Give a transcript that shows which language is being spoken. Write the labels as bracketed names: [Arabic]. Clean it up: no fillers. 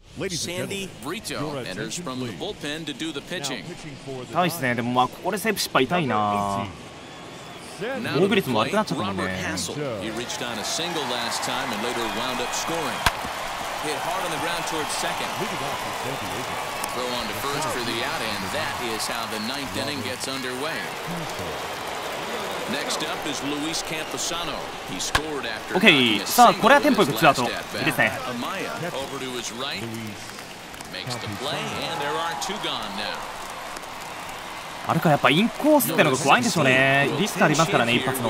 [English] Sandy Brito enters from the bullpen to do the pitching. [Japanese] 痛いですね。でもまあここでセーブ失敗痛いな。防御率も悪くなっちゃったもんね。 [English] He reached on a single last time and later wound up scoring. Hit hard on the ground towards second. Throw on to first for the out, and that is how the ninth inning gets underway. Next up is Luis Camposano. He scored after. [Japanese] Okay, さあこれはテンポよくツーアウト。いいですね。 [English] Amaya over to his right makes the play, and there are two gone now. [Japanese] あるか、やっぱインコースってのが怖いんでしょうね。リスクありますからね、一発の。